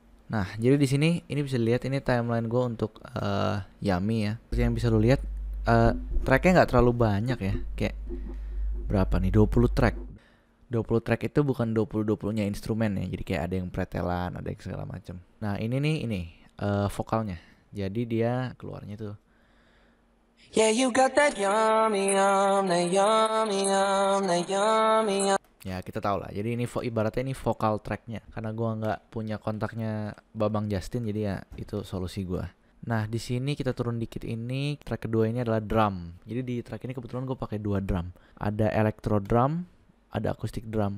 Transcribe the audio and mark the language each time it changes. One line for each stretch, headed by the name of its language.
Indonesian: Nah, jadi di sini ini bisa dilihat, ini timeline gue untuk Yummy ya. Seperti yang bisa lo lihat, tracknya nggak terlalu banyak ya. Kayak berapa nih, 20 track. 20 track itu bukan 20-20-nya instrumen ya. Jadi kayak ada yang pretelan, ada yang segala macam. Nah, ini nih, ini vokalnya. Jadi dia keluarnya tuh.
English: Yeah, you got that yummy, yummy, yummy, yummy.
Indonesian: Ya, kita tahu lah. Jadi ini ibaratnya ini vokal tracknya. Karena gue nggak punya kontaknya Babang Justin, jadi ya itu solusi gue. Nah, di sini kita turun dikit, ini track kedua ini adalah drum. Jadi di track ini kebetulan gue pakai dua drum. Ada electro drum, ada acoustic drum.